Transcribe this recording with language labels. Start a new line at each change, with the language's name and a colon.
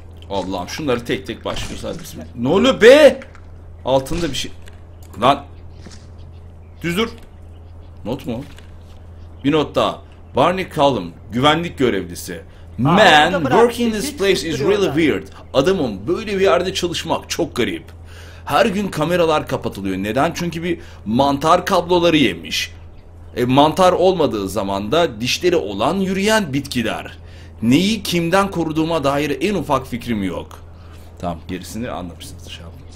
Turkish: Allah'ım şunları tek tek başlıyoruz hadi bizim. Ne oluyor be? Altında bir şey. Lan. Düz dur. Not mu? Bir not daha. Barney Callum, güvenlik görevlisi.
English: Man, working this place is really weird.
Turkish: Adamım, böyle bir yerde çalışmak çok garip. Her gün kameralar kapatılıyor. Neden? Çünkü bir mantar kabloları yemiş. Mantar olmadığı zaman da dişleri olan yürüyen bitkiler. Neyi kimden koruduğuma dair en ufak fikrim yok. Tamam, gerisini anlamışsınız dışarı.